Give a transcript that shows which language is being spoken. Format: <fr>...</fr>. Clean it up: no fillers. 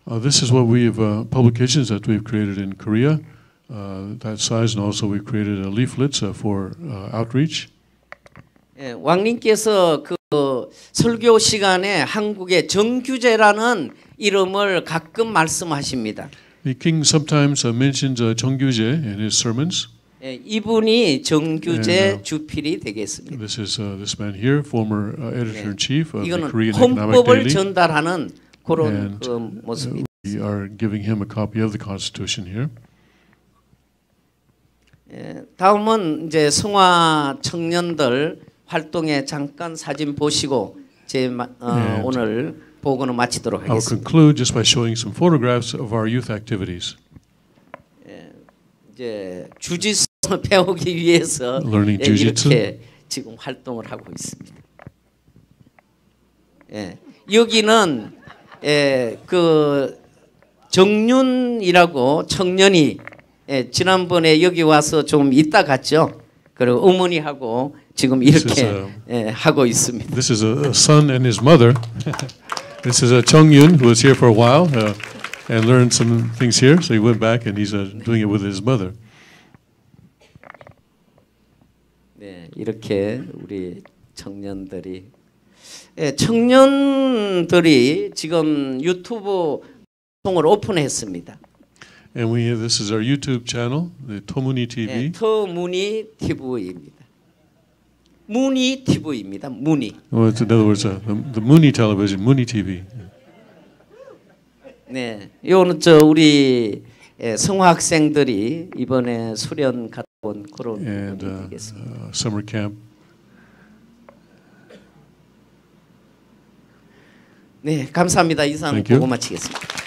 <en>This is what we've publications that we've created in Korea. That size, and also we created a leaflet for outreach.</en> <ko>왕님께서 그 설교 시간에 한국의 정규제라는 이름을 가끔 말씀하십니다.</ko> <en>The king sometimes mentions 정규제 in his sermons.</en> <ko>이분이 정규제 주필이 되겠습니다.</ko> <en>This is this man here, former editor-in-chief of the Korean Economic Daily.</en> <ko>이거는 헌법을 전달하는 그런 그 모습입니다.</ko> <en>We are giving him a copy of the Constitution here.</en> <ko>다음은 이제 성화 청년들 활동에 잠깐 사진 보시고 제 오늘 보고는 마치도록 하겠습니다.</ko> <en>I'll conclude just by showing some photographs of our youth activities.</en> <ko>이제 주짓수 배우기 위해서</ko> <en>learning</en> <ko>주짓수 지금 활동을 하고 있습니다. 여기는 그 정윤이라고 청년이 지난번에 여기 와서 좀 있다 갔죠. 그리고 어머니하고 지금 이렇게 하고 있습니다.</ko> <en>This is a son and his mother. This is a Chung Yun who was here for a while and learned some things here. So he went back and he's doing it with his mother.</en> <ko>네, 이렇게 우리 청년들이 청년들이 지금 유튜브 방송을 오픈했습니다.</ko> <en>And we have, this is our YouTube channel, the Tomuni TV.</en> <ko>네, 토무니 TV입니다. 무니 TV입니다. 무니.</ko> <en>Well, it's, in other words, the Muni television, Muni TV.</en> <ko>네, 요는 저 우리 성화 학생들이 이번에 수련 갔던 그런 겁니다.</ko> <en>Summer camp.</en> <ko>네, 감사합니다. 이상 보고 마치겠습니다.</ko>